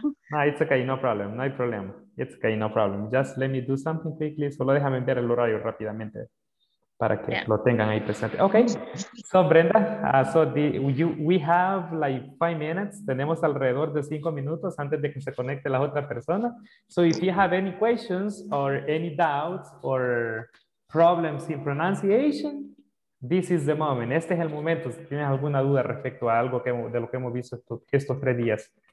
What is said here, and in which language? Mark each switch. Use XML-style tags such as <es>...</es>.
<en>No, it's okay, no problem,</en> <es>no hay problema.</es> <en>It's okay, no problem. Just let me do something quickly.</en> <es>Solo déjame enviar el horario rápidamente para que lo tengan ahí presente. Okay.</es> <en>So Brenda, we have like 5 minutes.</en> <es>Tenemos alrededor de 5 minutos antes de que se conecte la otra persona.</es> <en>So if you have any questions or any doubts or problems in pronunciation, this is the moment.</en> <es>Este es el momento. Si tienes alguna duda respecto a algo de lo que hemos visto estos 3 días.</es>